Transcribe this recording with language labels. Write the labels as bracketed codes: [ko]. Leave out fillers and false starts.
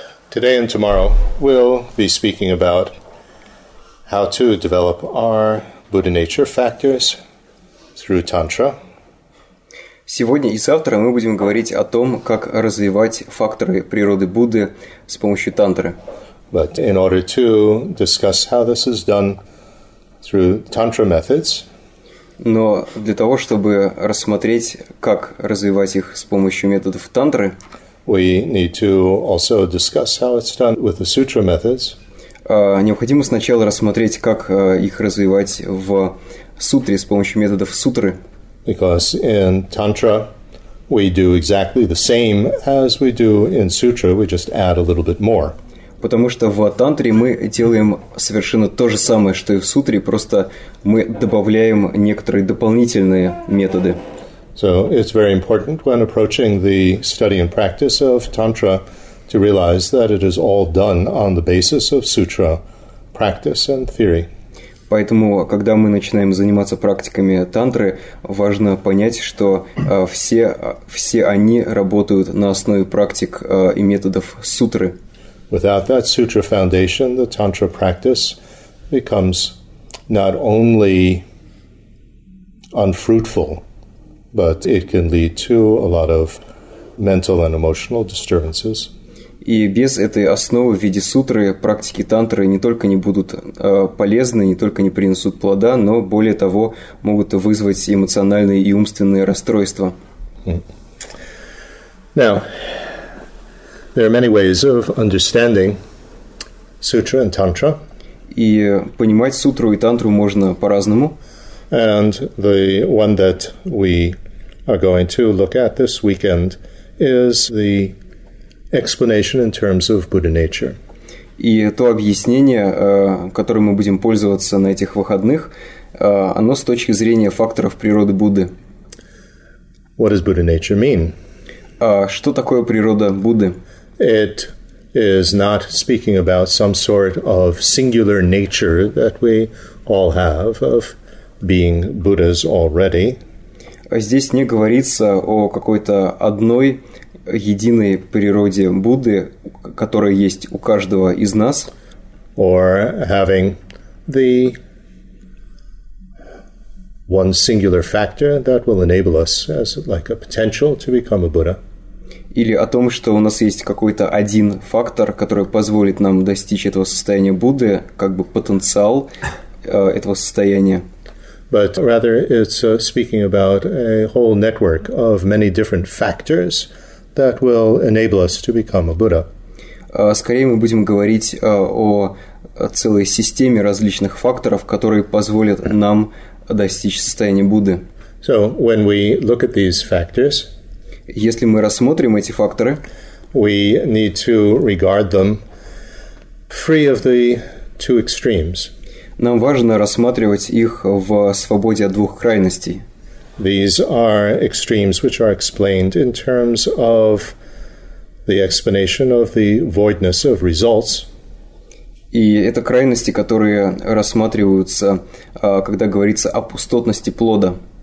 [en] Today and tomorrow, we'll be speaking about how to develop our Buddha nature factors through Tantra. [ru] Сегодня и завтра мы будем говорить о том, как развивать факторы природы Будды с помощью Тантры. [en] But in order to discuss how this is done through Tantra methods, [ru] но для того, чтобы рассмотреть, как развивать их с помощью методов Тантры, [en] we need to also discuss how it's done with the sutra methods. [ru] Необходимо сначала рассмотреть, как их развивать в сутре с помощью методов сутры. [en] Because in Tantra, we do exactly the same as we do in sutra, we just add a little bit more. [ru] Потому что в Тантре мы делаем совершенно то же самое, что и в сутре, просто мы добавляем некоторые дополнительные методы. [en] So it's very important when approaching the study and practice of Tantra to realize that it is all done on the basis of sutra practice and theory. [ru] Поэтому, когда мы начинаем заниматься практиками Тантры, важно понять, что все они работают на основе практик и методов сутры. [en] Without that sutra foundation, the Tantra practice becomes not only unfruitful, but it can lead to a lot of mental and emotional disturbances. [ru] И без этой основы в виде сутры практики тантры не только не будут полезны, не только не принесут плода, но более того, могут вызвать эмоциональные и умственные расстройства. [en] Now, there are many ways of understanding sutra and tantra. [ru] И понимать сутру и тантру можно по-разному. [en] And the one that we are going to look at this weekend is the explanation in terms of Buddha nature. [ru] И то объяснение, которым мы будем пользоваться на этих выходных, оно с точки зрения факторов природы Будды. [en] What does Buddha nature mean? [ru] Что такое природа Будды? [en] It is not speaking about some sort of singular nature that we all have of being Buddhas already. [ru] Здесь не говорится о какой-то одной единой природе Будды, которая есть у каждого из нас. [en] Or having the one singular factor that will enable us as like a potential to become a Buddha. [ru] Или о том, что у нас есть какой-то один фактор, который позволит нам достичь этого состояния Будды, как бы потенциал этого состояния. [en] But rather, it's speaking about a whole network of many different factors that will enable us to become a Buddha. [ru] Скорее мы будем говорить о целой системе различных факторов, которые позволят нам достичь состояния Будды. [en] So when we look at these factors, [ru] если мы рассмотрим эти факторы, [en] we need to regard them free of the two extremes. [ru] Нам важно рассматривать их в свободе от двух крайностей. [en] These are extremes which are explained in terms of the explanation of the voidness of results. [ru] И это крайности, которые рассматриваются, когда говорится о пустотности плода.